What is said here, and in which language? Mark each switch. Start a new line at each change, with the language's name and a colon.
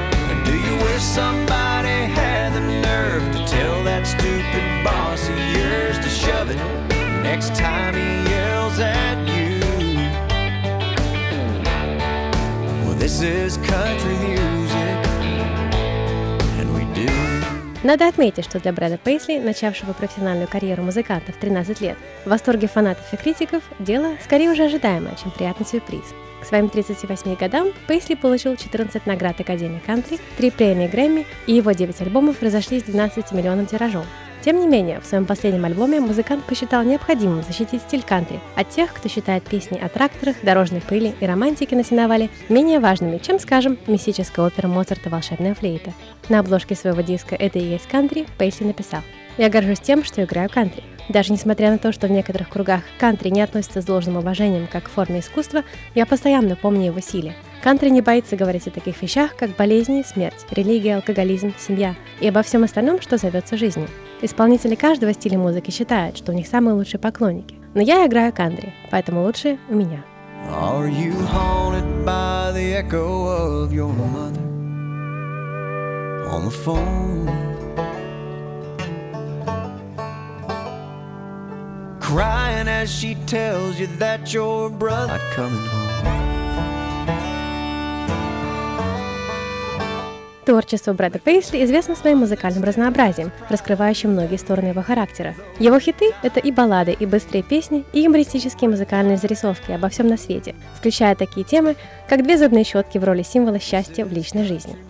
English: And do you wish somebody had the nerve to tell that stupid boss of yours to shove it next time he yells at you? Well, this is country music.
Russian: Надо отметить, что для Брэда Пейсли, начавшего профессиональную карьеру музыканта в 13 лет, в восторге фанатов и критиков, дело скорее уже ожидаемое, чем приятный сюрприз. К своим 38 годам Пейсли получил 14 наград Академии Кантри, 3 премии Грэмми, и его 9 альбомов разошлись 12-миллионным тиражом. Тем не менее, в своем последнем альбоме музыкант посчитал необходимым защитить стиль кантри от тех, кто считает песни о тракторах, дорожной пыли и романтике на сеновале менее важными, чем, скажем, мистическая опера Моцарта «Волшебная флейта». На обложке своего диска «Это и есть кантри» Пейсли написал: «Я горжусь тем, что играю кантри. Даже несмотря на то, что в некоторых кругах кантри не относится с должным уважением как к форме искусства, я постоянно помню его силе. Кантри не боится говорить о таких вещах, как болезни, смерть, религия, алкоголизм, семья и обо всем остальном, что зовется жизнью. Исполнители каждого стиля музыки считают, что у них самые лучшие поклонники. Но я играю кантри, поэтому лучше у меня».
English: Are you haunted by the echo of your mother on the phone? Crying as she tells you that your brother not coming home.
Russian: Творчество Брэда Пейсли известно своим музыкальным разнообразием, раскрывающим многие стороны его характера. Его хиты – это и баллады, и быстрые песни, и юмористические музыкальные зарисовки обо всем на свете, включая такие темы, как две зубные щетки в роли символа счастья в личной жизни.